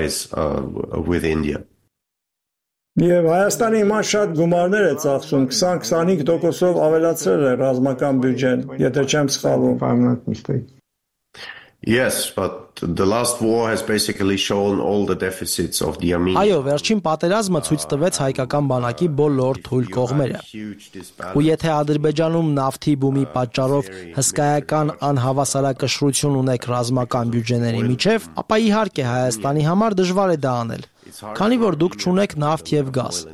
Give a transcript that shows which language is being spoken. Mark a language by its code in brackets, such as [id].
[hy] Եվ Հայաստանի հիմա շատ գումարներ է ծախսում, 20-25%-ով ավելացրել է ռազմական բյուջեն, եթե չեմ սխալվում։ [en] Yes, but the last war has basically shown all the deficits of the army. [hy] Այո, վերջին պատերազմը ցույց տվեց հայկական բանակի բոլոր թույլ կողմերը։ Ու եթե Ադրբեջանում նավթի բումի պատճառով հսկայական անհավասարակշռություն ունեք ռազմական բյուջեների միջև, ապա իհարկե Հայաստանի համար դժվար է դա անել, քանի որ դուք չունեք նավթ եւ գազ։